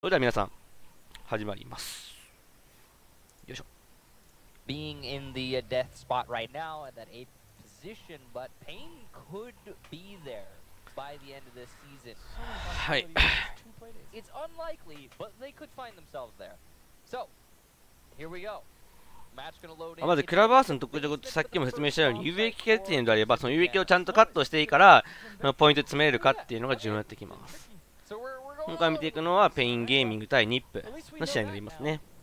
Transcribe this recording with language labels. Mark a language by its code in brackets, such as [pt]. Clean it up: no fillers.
[ja] それでは皆さん、始まります。よいしょ。 [en] Being in the death spot right now at that 8th position, but pain could be there by the end of this season. [ja] はい。 [en] It's unlikely, but they could find themselves there. So, here we go. [ja] まずクラブハウスの特徴、さっきも説明したように有益決定であれば、その有益をちゃんとカットしていいから、ポイント詰めれるかっていうのが重要になってきます。今回見ていくのはペインゲーミング対ニップの試合になりますね。